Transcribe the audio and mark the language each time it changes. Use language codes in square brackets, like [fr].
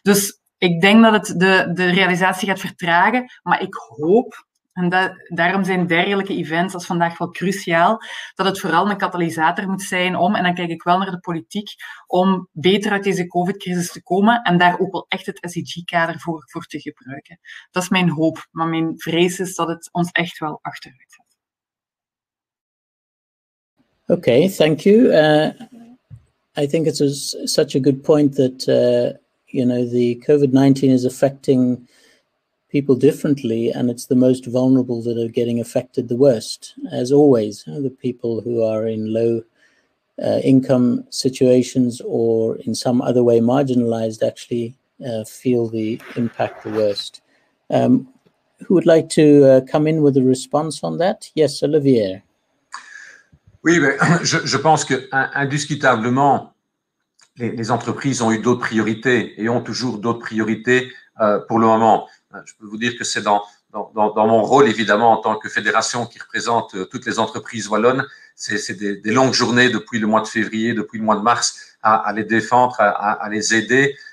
[nl] Dus ik denk dat het de realisatie gaat vertragen, maar ik hoop, en daarom zijn dergelijke events als vandaag wel cruciaal, dat het vooral een katalysator moet zijn om, en dan kijk ik wel naar de politiek, om beter uit deze COVID-crisis te komen en daar ook wel echt het SDG-kader voor te gebruiken. Dat is mijn hoop, maar mijn vrees is dat het ons echt wel achteruit gaat. [en] Oké, thank you. I think it's such a good point that, the COVID-19 is affecting people differently, and it's the most vulnerable that are getting affected the worst. As always, the people who are in low income situations or in some other way marginalized actually feel the impact the worst. Who would like to come in with a response on that? Yes, Olivier. [fr] Oui, mais je pense que indiscutablement, les entreprises ont eu d'autres priorités et ont toujours d'autres priorités pour le moment. Je peux vous dire que c'est dans mon rôle, évidemment, en tant que fédération qui représente toutes les entreprises wallonnes, c'est des longues journées depuis le mois de février, depuis le mois de mars, à les défendre, à les aider.